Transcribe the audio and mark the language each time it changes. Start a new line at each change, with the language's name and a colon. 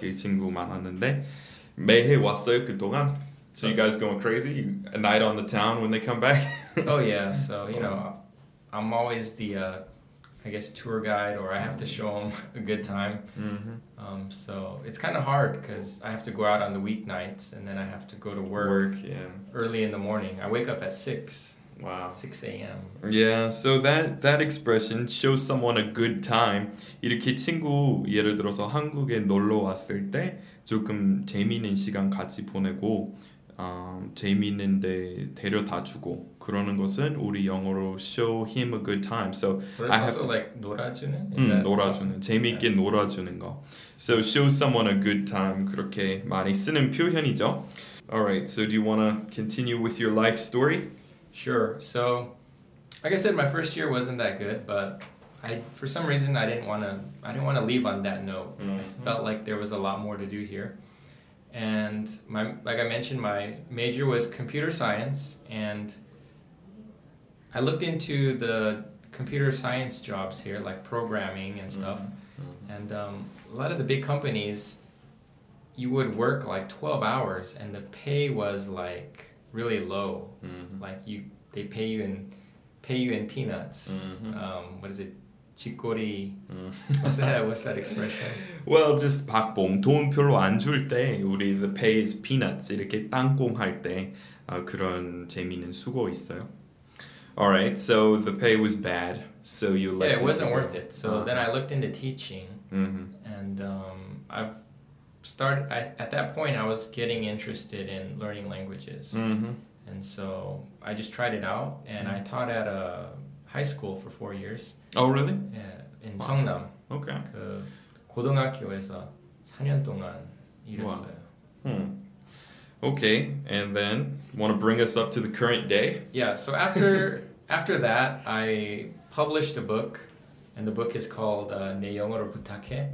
Korean: 그 친구 많았는데 매해 왔어요 그동안.
English: So you guys going crazy? A night on the town when they come back? Oh yeah. So you know, I'm always the, I guess tour guide, or I have to show them a good time. Mm-hmm. So it's kind of hard because I have to go out on the weeknights and then I have to go to work early in the morning. I wake up at 6. Wow. 6 a.m. Yeah, so that expression, show someone a good time.
Korean: 이렇게 친구 예를 들어서 한국에 놀러 왔을 때 조금 재미있는 시간 같이 보내고 재미있는 데 데려다 주고 그러는 것은 우리 영어로
English: show him a good time.
Korean: So
English: I have to like
Korean: 놀아주는?
English: 놀아주는. Awesome?
Korean: 재미있게 놀아주는 거.
English: So show someone a good time.
Korean: 그렇게 많이 쓰는 표현이죠.
English: Alright, so do you want to continue with your life story? Sure. So, like I said, my first year wasn't that good, but I didn't want to leave on that note. Mm-hmm. I felt like there was a lot more to do here. And my major was computer science, and I looked into the computer science jobs here, like programming and stuff. Mm-hmm. And a lot of the big companies, you would work like 12 hours and the pay was like really low. Mm-hmm. Like they pay you in peanuts. Mm-hmm. What is it? Chikori. What's that expression?
Korean: Well, just 박봉. 돈 별로 안 줄 때 우리
English: the pay is peanuts.
Korean: 이렇게 땅콩 할 때 그런 재미있는 수고 있어요.
English: Alright, so the pay was bad, so you left. Yeah, it wasn't worth it. So then I looked into teaching, mm-hmm. and at that point, I was getting interested in learning languages. Mm-hmm. And so I just tried it out, and mm-hmm. I taught at a high school for 4 years. Oh, really? Yeah, in Seongnam. Wow. Okay.
Korean: 그 고등학교에서 4년 동안 일했어요.
English: Wow. Okay, and then want to bring us up to the current day? Yeah, so after after that, I published a book, and the book is called 내 영어로 부탁해.